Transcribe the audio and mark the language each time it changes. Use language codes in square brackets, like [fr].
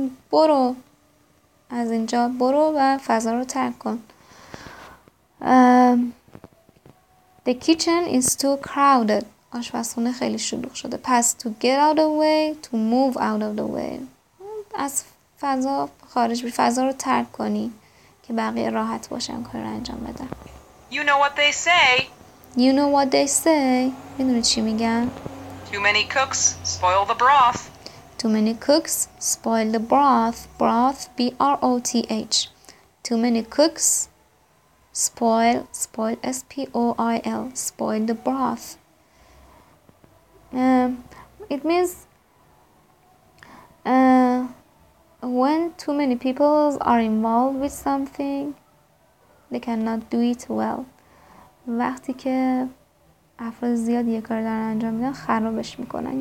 [fa] برو از اینجا, برو و فضا رو ترک کن. [en] The kitchen is too crowded. [fa] آشپزخونه خیلی شلوغ شده. [en] پس to get out of the way, to move out of the way. [fa] از فضا خارج بری, فضا رو ترک کنی که بقیه راحت باشن کار رو انجام بدن. [en] You know what they say. You know what they say. [fa] میدونی چی میگن؟ [en] Too many cooks spoil the broth. Too many cooks spoil the broth. Broth, B-R-O-T-H. Too many cooks spoil, S-P-O-I-L. Spoil the broth. It means when too many people are involved with something, they cannot do it well. [fa] وقتی که افراد زیاد یه کار دارن انجام میدن خرابش میکنن.